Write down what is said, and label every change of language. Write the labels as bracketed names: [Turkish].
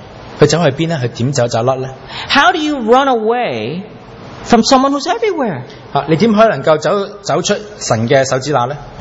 [Cantonese] 其實約拿佢自己本身係先知，佢知道神係無處不在，佢走去邊咧？佢點走走甩咧？ [English] How do you run away from someone who's everywhere? [Cantonese] 你點可能夠走出神嘅手指罅咧？